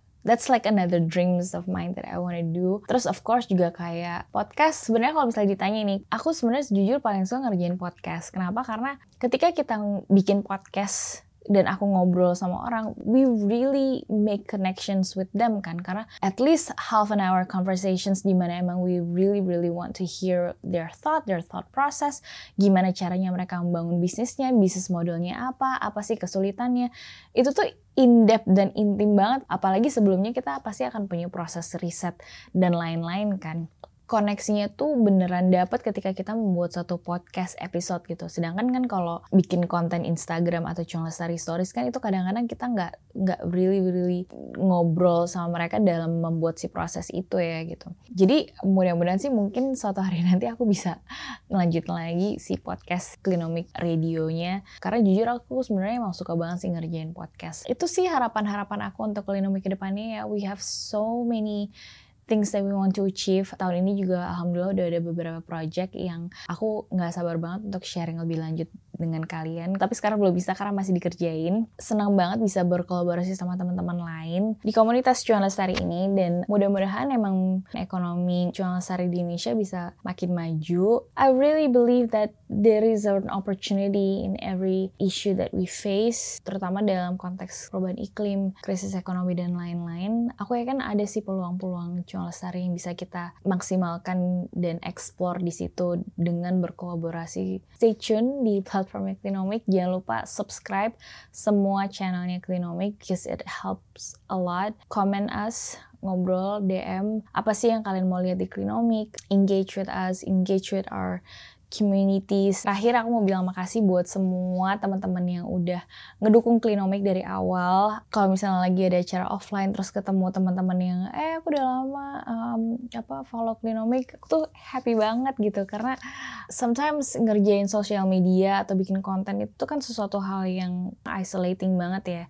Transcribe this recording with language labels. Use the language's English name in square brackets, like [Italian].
[English] That's like another dreams of mine that I wanna do. [Indonesian] Terus [English] of course [Indonesian] juga kayak podcast. Sebenarnya kalau misalnya ditanya ini, aku sebenarnya jujur paling suka ngerjain podcast. Kenapa? Karena ketika kita bikin podcast dan aku ngobrol sama orang, [English] we really make connections with them [Indonesian] kan, karena [English] at least half an hour conversations [Indonesian] di mana emang [English] we really really want to hear their thought process, [Indonesian] gimana caranya mereka membangun bisnisnya, bisnis modelnya apa, apa sih kesulitannya, itu tuh in-depth dan intim banget, apalagi sebelumnya kita pasti akan punya proses riset dan lain-lain kan. Koneksinya tuh beneran dapat ketika kita membuat satu podcast episode gitu. Sedangkan kan kalau bikin konten Instagram atau Cuan Lestari Stories kan itu kadang-kadang kita nggak really ngobrol sama mereka dalam membuat si proses itu ya gitu. Jadi mudah-mudahan sih mungkin suatu hari nanti aku bisa ngelanjutin lagi si podcast Klinomik Radio-nya. Karena jujur aku sebenarnya emang suka banget sih ngerjain podcast. Itu sih harapan-harapan aku untuk Klinomik kedepannya ya. [English] We have so many things that we want to achieve. [Indonesian] Tahun ini juga alhamdulillah udah ada beberapa project yang aku gak sabar banget untuk sharing lebih lanjut dengan kalian. Tapi sekarang belum bisa karena masih dikerjain. Senang banget bisa berkolaborasi sama teman-teman lain di komunitas Cuan Lestari ini. Dan mudah-mudahan emang ekonomi Cuan Lestari di Indonesia bisa makin maju. [English] I really believe that there is an opportunity in every issue that we face, [Indonesian] terutama dalam konteks perubahan iklim, krisis ekonomi, dan lain-lain. Aku yakin ada sih peluang-peluang Cuan Lestari yang bisa kita maksimalkan dan explore di situ dengan berkolaborasi. [English] Stay tune [Indonesian] di platform Klinomik. Jangan lupa subscribe semua channelnya Klinomik, [English] because it helps a lot. Comment us, [Indonesian] ngobrol, DM, apa sih yang kalian mau lihat di Klinomik. [English] Engage with us, engage with our communities. [Indonesian] Terakhir aku mau bilang makasih buat semua teman-teman yang udah ngedukung Klinomik dari awal. Kalau misalnya lagi ada acara offline terus ketemu teman-teman yang aku udah lama follow Klinomik, aku tuh happy banget gitu, karena sometimes ngerjain social media atau bikin konten itu kan sesuatu hal yang isolating banget ya.